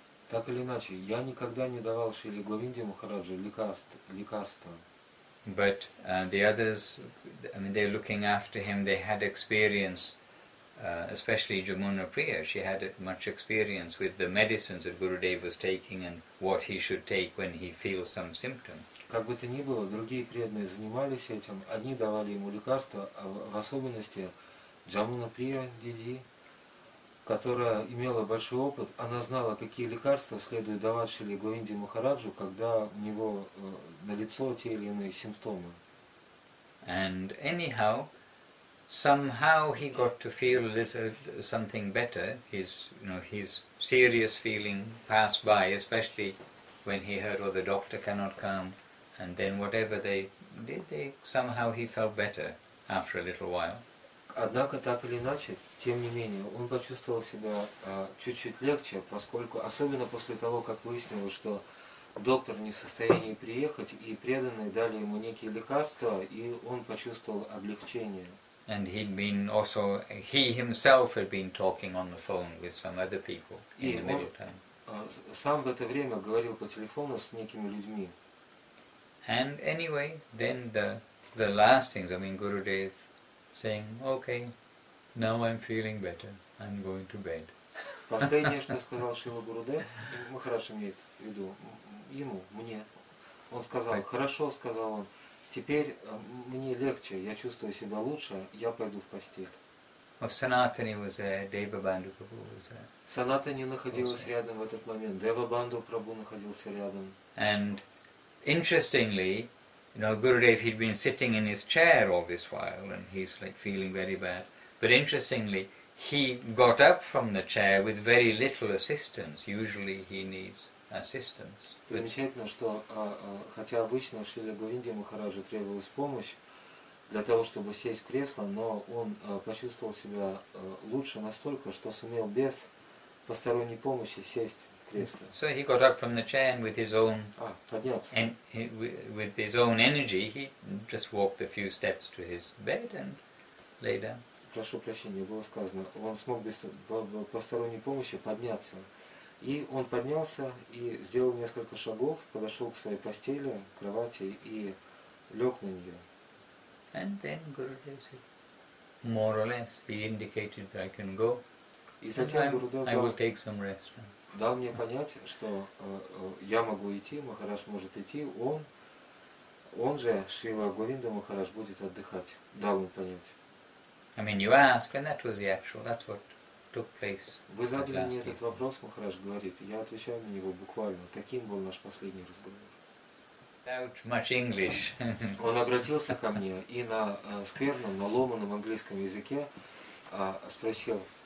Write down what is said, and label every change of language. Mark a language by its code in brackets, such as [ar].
[ru] Так или иначе, я никогда не давал Шриле Говинде Махараджу лекарства. [en] But the others, I mean, they're looking after him. They had experience, especially Jamuna Priya. She had much experience with the medicines that Gurudev was taking and what he should take when he feels some symptom. [ru] Как бы то ни было, другие преданные занимались этим. Одни давали ему лекарства, а в особенности Джамуна Прия Диди, которая имела большой опыт, она знала, какие лекарства следует давать Шриле Говинде Махараджу, когда у него налицо те или иные симптомы. [en] And anyhow, somehow he got to feel a little something better. His, you know, his serious feeling passed by, especially when he heard, oh, the doctor cannot come, and then whatever they did, they somehow he felt better after a little while. [ru] Однако, так или иначе, тем не менее, он почувствовал себя чуть-чуть легче, поскольку, особенно после того, как выяснилось, что доктор не в состоянии приехать, и преданные дали ему некие лекарства, и он почувствовал облегчение. [en] And he'd been also, he himself had been talking on the phone with some other people in the middle town. [ru] Сам в это время говорил по телефону с некими людьми. [en] And anyway, then the last things, I mean, Gurudev saying, okay, now I'm feeling better. I'm going to bed. [ru] Последнее, что сказал Шрила Гурудев, Махарадж имеет в виду ему, мне. Он сказал, хорошо, сказал он, теперь мне легче, я чувствую себя лучше, я пойду в постель. [en] Санатани was there, Дева Банду Прабху was there. [ru] Санатани находилась рядом в этот момент, Дева Банду Прабху находился рядом. [en] And interestingly, you know, Gurudev, he'd been sitting in his chair all this while, and he's like feeling very bad. But interestingly, he got up from the chair with very little assistance. Usually, he needs assistance. [ru] Примечательно, что хотя обычно Шриле Говинде Махараджу требовалась помощь для того, чтобы сесть в кресло, но он почувствовал себя лучше настолько, что сумел без посторонней помощи сесть. [en] So he got up from the chair and with his own with his own energy, he just walked a few steps to his bed and lay down. [ru] Прошу прощения, было сказано, он смог без посторонней помощи подняться. И он поднялся и сделал несколько шагов, подошел к своей постели, кровати и лег на нее. [en] And then Gurudev said, more or less, he indicated that I can go. [ru] И затем Гурудев сказал, [en] I will take some rest. [ru] Дал мне понять, что я могу идти, Махарадж может идти, он же, Шрила Говинда Махарадж, будет отдыхать. Дал мне понять. [en] I mean, you ask, and that was the actual, that's what took place. [ru] Вы задали мне этот вопрос, Махарадж говорит, я отвечаю на него буквально. Таким был наш последний разговор. [en] Without much English. [ru] Он обратился ко мне и на скверном, на ломаном английском языке спросил,